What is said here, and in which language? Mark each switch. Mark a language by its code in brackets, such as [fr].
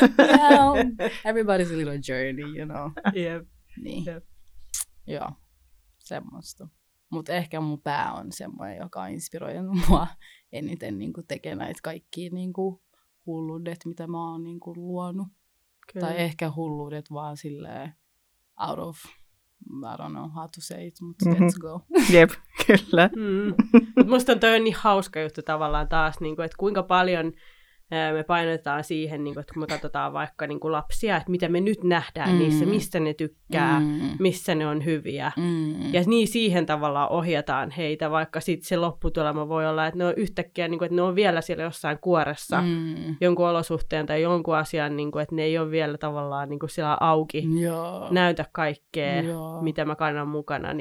[en] Well, everybody's a little journey, you know. Yep. [fi] Niin. [en] Yep. [fi] Joo, semmoista. Mutta ehkä mun pää on semmoinen, joka on inspiroinut mua eniten niin kuin tekemään näitä kaikkia niin kuin hulluudet, mitä mä oon niin kuin luonut. Kyllä. Tai ehkä hulluudet vaan silleen [en] out of... I don't know how to say it, [fi] mutta [en] let's go. [fi] Jep, kyllä. Musta on toi niin hauska juttu tavallaan taas, niin kuin, että kuinka paljon me painotetaan siihen, niin kuin, että kun me katsotaan vaikka niin kuin lapsia, että mitä me nyt nähdään niissä, mistä ne tykkää, missä ne on hyviä. Ja niin siihen tavallaan ohjataan heitä, vaikka sitten se lopputulema voi olla, että ne on yhtäkkiä, niin kuin, että ne on vielä siellä jossain kuoressa jonkun olosuhteen tai jonkun asian, niin kuin, että ne ei ole vielä tavallaan niin kuin siellä auki näytä kaikkea, mitä mä kannan mukana.